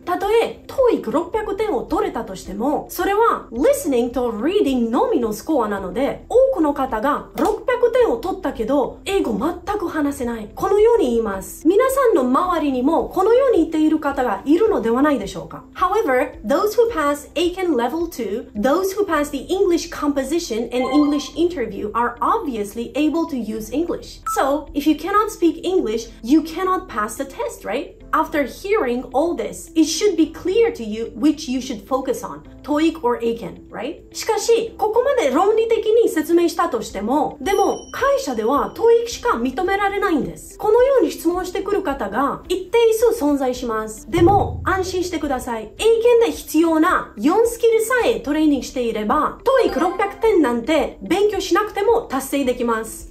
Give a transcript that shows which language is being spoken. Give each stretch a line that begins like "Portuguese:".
Japanese: たとえ、TOEIC 600点を取れたとしても、それは、Listening と Reading のみのスコアなので、多くの方が600点を取ったけど、英語全く話せない。このように言います。皆さんの周りにも、このように言っている方がいるのではないでしょうか。
English: However, those who pass AKEN Level 2, those who pass the English Composition and English Interview are obviously able to use English. So, if you cannot speak English, you cannot pass the test, right? After hearing all this, it should be clear to you which you should focus on, TOEIC or AKEN, right?
Japanese: しかし、ここまで論理的に説明したとしても、でも会社では TOEIC しか認められないんです。このように質問してくる方が一定数存在します。でも安心してください。 AKEN で必要な4スキルさえトレーニングしていれば、TOEIC 600点なんて勉強しなくても達成できます。